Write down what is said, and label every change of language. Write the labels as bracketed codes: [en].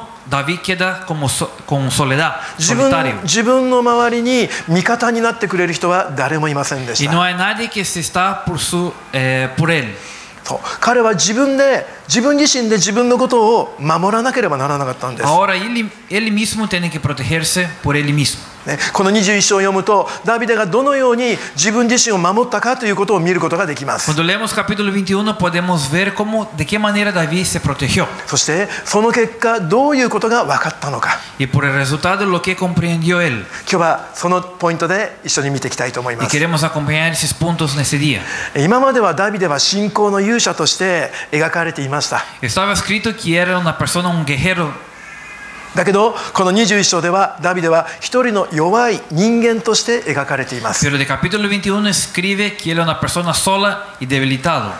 [es] David queda como con soledad, [ja] 自分の周りに味方になってくれる人は誰もいませんでした。 [es] Y no hay nadie que se está por su, por él. [ja] そう、彼は自分自身で自分のことを守らなければならなかったんです。 [es] Ahora, él mismo tiene que protegerse por él mismo. [ja] ね、この21章を読むとダビデがどのように自分自身を守ったかということを見ることができます。 [es] Cuando leemos capítulo 21 podemos ver cómo, de qué manera David se protegió. [ja] そしてその結果どういうことが分かったのか。 [es] Y por el resultado lo que comprendió él. [ja] 今日はそのポイントで一緒に見ていきたいと思います。 [es] Y queremos acompañar esos puntos en ese día. [ja] 今まではダビデは信仰の勇者として描かれていました。 [es] Estaba escrito que era una persona, un guerrero. [ja] だけどこの21章ではダビデは一人の弱い人間として描かれています。 [es] Pero de capítulo 21 escribe que era una persona sola y debilitado.